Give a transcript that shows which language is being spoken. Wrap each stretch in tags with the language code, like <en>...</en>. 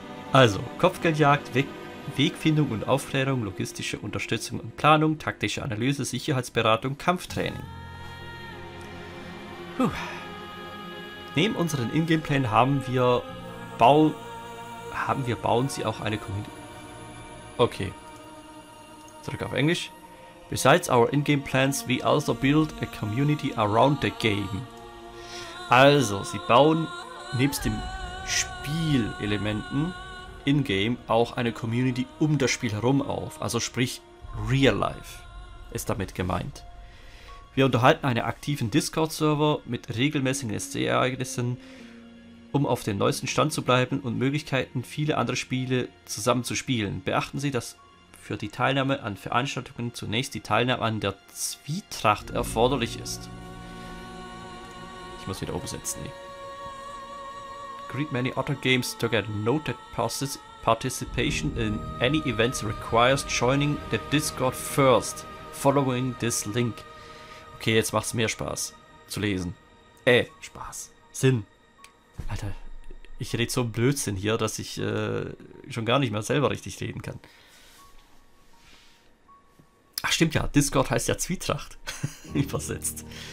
<de>Also, Kopfgeldjagd, Wegfindung und Aufklärung, logistische Unterstützung und Planung, taktische Analyse, Sicherheitsberatung, Kampftraining. Puh. Neben unseren Ingame-Plänen bauen sie auch eine Community. Okay. Zurück auf Englisch.</de> <en>Besides our in-game plans, we also build a community around the game.</en> <de>Also, sie bauen nebst dem Spielelementen in-game auch eine Community um das Spiel herum auf. Also sprich, real life ist damit gemeint. Wir unterhalten einen aktiven Discord-Server mit regelmäßigen SC-Ereignissen, um auf den neuesten Stand zu bleiben und Möglichkeiten, viele andere Spiele zusammen zu spielen. Beachten Sie, dass für die Teilnahme an Veranstaltungen zunächst die Teilnahme an der Zwietracht erforderlich ist. Ich muss wieder übersetzen.</de> <en>Great many other games to get noted participation in any events requires joining the Discord first, following this link.</en> <de>Okay, jetzt macht's mehr Spaß zu lesen. Spaß. Sinn. Alter, ich rede so Blödsinn hier, dass ich schon gar nicht mehr selber richtig reden kann. Ach stimmt ja, Discord heißt ja Zwietracht. Übersetzt.</de>